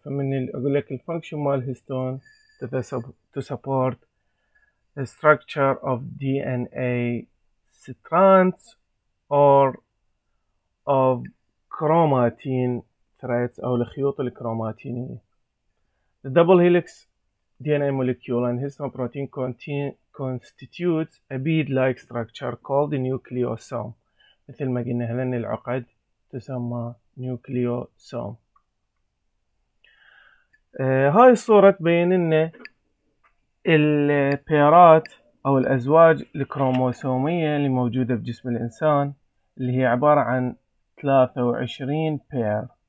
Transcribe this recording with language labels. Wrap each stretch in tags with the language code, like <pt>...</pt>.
<ar>فمن أقول لك الفانكشن مال الهستون to support the structure of DNA strands or of chromatin threads أو الخيوط الكروماتينية.</ar> <en>The double helix DNA molecule and histone protein constitutes a bead-like structure called the nucleosome.</en> <ar>مثل ما قلنا هذين العقد تسمى nucleosome. هاي الصورة تبين ان البيرات او الازواج الكروموسومية اللي موجودة بجسم الانسان اللي هي عبارة عن 23 بير.</ar>